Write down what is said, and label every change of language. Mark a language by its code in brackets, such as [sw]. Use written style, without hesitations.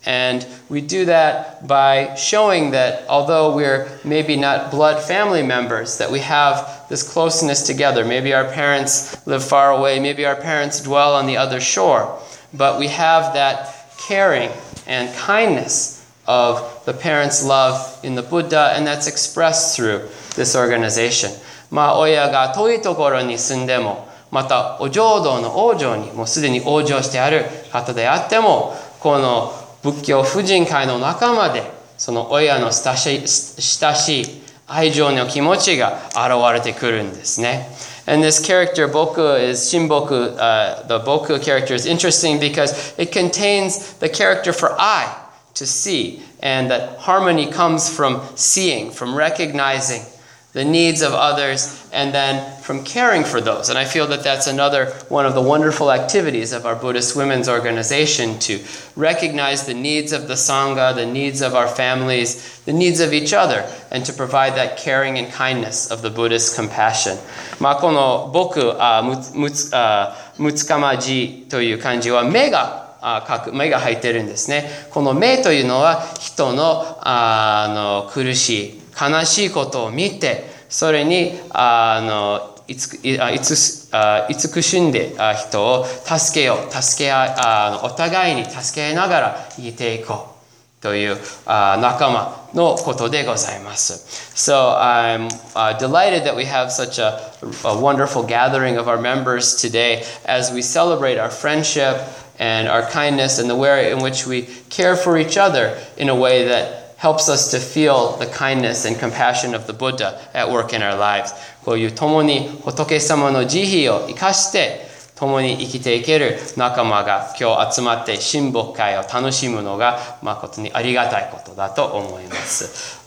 [en] And we do that by showing that although we're maybe not blood family members, that we have this closeness together. Maybe our parents live far away, maybe our parents dwell on the other shore, but we have that caring and kindness of the parents' love in the Buddha, and that's expressed through this organization. [ja] まあ、親が遠いところに住んでも、またお浄土の往生にもうすでに往生してある方であっても、この仏教婦人会の仲間で、その親の親しい愛情の気持ちが現れてくるんですね。 [en] And this character, boku, is shinboku. The boku character is interesting because it contains the character for I, to see, and that harmony comes from seeing, from recognizing the needs of others, and then from caring for those. And I feel that that's another one of the wonderful activities of our Buddhist women's organization, to recognize the needs of the Sangha, the needs of our families, the needs of each other, and to provide that caring and kindness of the Buddhist compassion. [ja] まあこの僕、むつかまじという漢字は目が書く、目が入ってるんですね。この目というのは人の、苦しい、悲しいことを見て、それに慈しんで人を助けよう、助け合い、お互いに助け合いながら生きていこうという仲間のことでございます。 [en] So I'm delighted that we have such a wonderful gathering of our members today as we celebrate our friendship and our kindness and the way in which we care for each other in a way that helps us to feel the kindness and compassion of the Buddha at work in our lives. [ja] こういう共に仏様の慈悲を生かして共に生きていける仲間が今日集まって親睦会を楽しむのが誠にありがたいことだと思います。